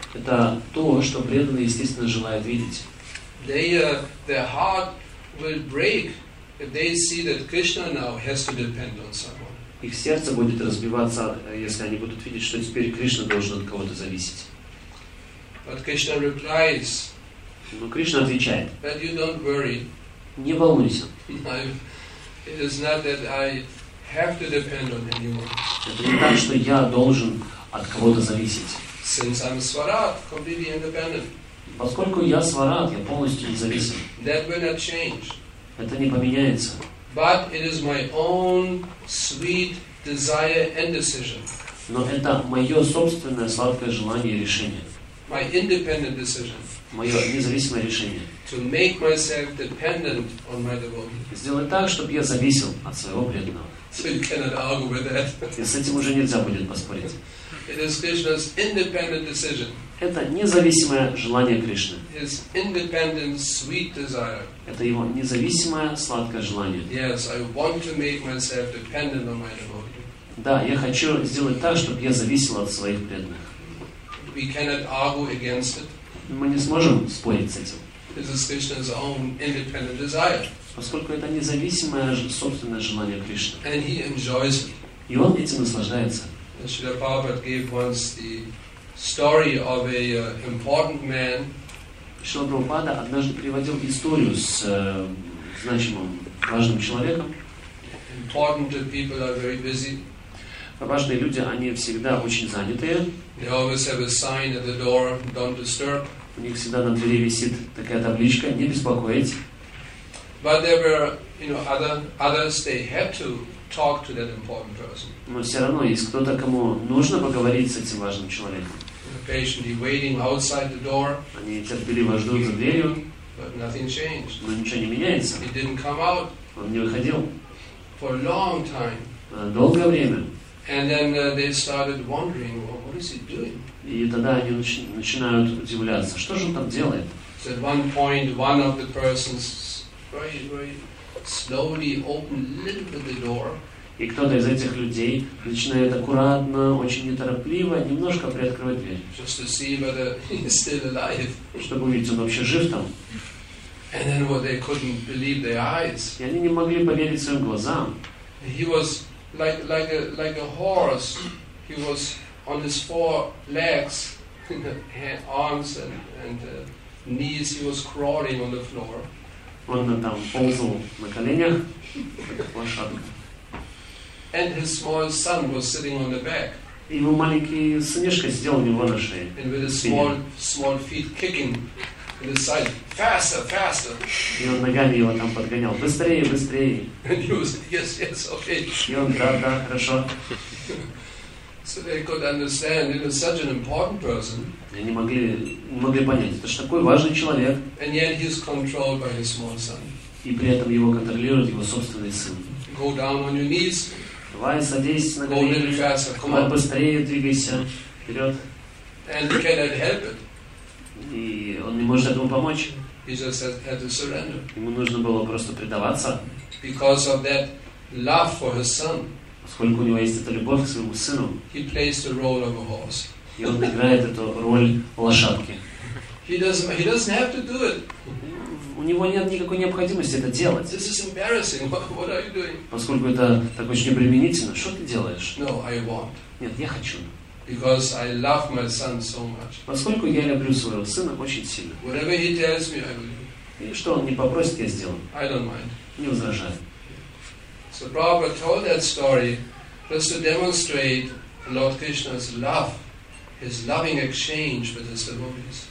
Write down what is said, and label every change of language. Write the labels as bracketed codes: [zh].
[ru] Это то, что преданный естественно желает видеть. [en] Their heart will break if they see that Krishna now has to depend on someone. [ru] Их сердце будет разбиваться, если они будут видеть, что теперь Кришна должен от кого-то зависеть. [en] But Krishna replies. [ru] Но Кришна отвечает. [en] But you don't worry. [ru] Не волнуйся. [en] It is not that I have to depend on anyone. [ru] Это не так, что я должен от кого-то зависеть. [en] Since I'm Swarat, completely independent. [ru] Поскольку я Swarat, я полностью независим. [en] That will not change. [ru] Это не поменяется. [en] But it is my own sweet desire and decision. [ru] Но это мое собственное сладкое желание и решение. [en] My independent decision. [ru] Мое независимое решение. [en] To make myself dependent on my devotee. [ru] Сделать так, чтобы я зависел от своего преданного. [en] So you cannot argue with that. [ru] И с этим уже нельзя будет поспорить. [en] It is Krishna's independent decision. [ru] Это независимое желание Кришны. [en] His independent sweet desire. [ru] Это его независимое сладкое желание. [en] Yes, I want to make myself dependent on my devotee. [ru] Да, я хочу сделать так, чтобы я зависел от своих преданных. [en] We cannot argue against it. [ru] Мы не сможем спорить с этим. [en] This is Krishna's own independent desire. [ru] Поскольку это независимое собственное желание Кришны. [en] And he enjoys it. [ru] И он этим наслаждается. [en] Srila Prabhupada gave once the story of a important man. [ru] Srila Prabhupada однажды приводил историю с значимым, важным человеком. [en] Important to people are very busy. [ru] Важные люди, они всегда очень занятые. [en] They always have a sign at the door, don't disturb. [ru] У них всегда на двери висит такая табличка, не беспокоить. [en] But there were, you know, others. They had to talk to that important person. [ru] Но все равно есть кто-то, кому нужно поговорить с этим важным человеком. [en] Patiently waiting outside the door. [ru] Они терпеливо ждут за дверью. [en] But nothing changed. [ru] Но ничего не меняется. [en] He didn't come out. [ru] Он не выходил. [en] For a long time. [ru] Долгое время. [en] And then they started wondering, well, what is he doing? [ru] И тогда они начинают удивляться, что же он там делает? [en] So at one point, one of the persons very, very slowly open a little bit the door. [ru] И кто-то из этих людей начинает аккуратно, очень неторопливо, немножко приоткрывать дверь. [en] Just to see whether he's still alive. [ru] Чтобы увидеть, он вообще жив там. [en] And then what they couldn't believe their eyes. [ru] И они не могли поверить своим глазам. [en] He was like a horse. He was on his four legs, arms and knees. He was crawling on the floor. [ru] Он там ползал на коленях, как лошадка. [en] And his small son was sitting on the back. [ru] Его маленький сынишка сидел у него на шее. [en] And with his small feet kicking in his side, faster, faster. [ru] И он ногами его там подгонял, быстрее, быстрее. [en] And he was, yes, okay. [ru] И он, да, хорошо. [en] So they could understand, it was such an important person. [ru] Они могли понять, это же такой важный человек. [en] And yet he is controlled by his small son. [ru] И при этом его контролирует его собственный сын. [en] Go down on your knees. [ru] Давай, садись на колени. [en] Go a little faster. Come on. [ru] Быстрее двигайся вперед. [en] And he cannot help it. [ru] И он не может этому помочь. [en] He just had to surrender. [ru] Ему нужно было просто предаваться. [en] Because of that love for his son. [ru] Поскольку у него есть эта любовь к своему сыну. [en] He plays the role of a horse. [ru] И он играет эту роль лошадки. [en] He doesn't have to do it. [ru] У него нет никакой необходимости это делать. [en] This is embarrassing. What are you doing? [ru] Поскольку это так очень обременительно. Что ты делаешь? [en] No, I want. [ru] Нет, я хочу. [en] Because I love my son so much. [ru] Поскольку я люблю своего сына очень сильно. [en] Whatever he tells me, I will do. [ru] И что он не попросит, я сделаю. [en] I don't mind. [ru] Не возражаю. [en] So Prabhupada told that story just to demonstrate Lord Krishna's love, his loving exchange with his devotees.